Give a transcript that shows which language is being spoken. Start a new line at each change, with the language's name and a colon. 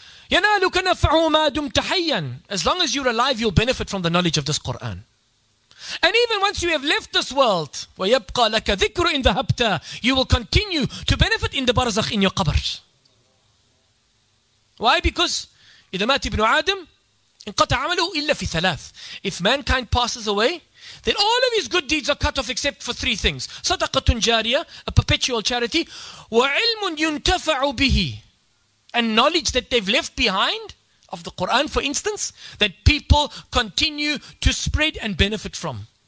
Arabic: يَنَالُكَ نَفْعُهُ مَا دُمْتَ حَيًّا.
English: As long as you're alive, you'll benefit from the knowledge of this Quran. And even once you have left this world,
Arabic: وَيَبْقَى لَكَ ذِكْرُ إِنْ ذَهَبْتَ,
English: you will continue to benefit in the barzakh, in your qabr. Why? Because
Arabic: إِذَا مَاتِ ابْنُ عَادِمٍ إِنْ قَطَ عَمَلُهُ إِلَّا فِي ثَلَاثٍ.
English: If mankind passes away, then all of his good deeds are cut off except for three things.
Arabic: صَدَقَةٌ جَارِيَةٌ,
English: a perpetual charity.
Arabic: وَعِلْمٌ يُنْتَفَعُ بِهِ,
English: and knowledge that they've left behind of the Quran, for instance, that people continue to spread and benefit from.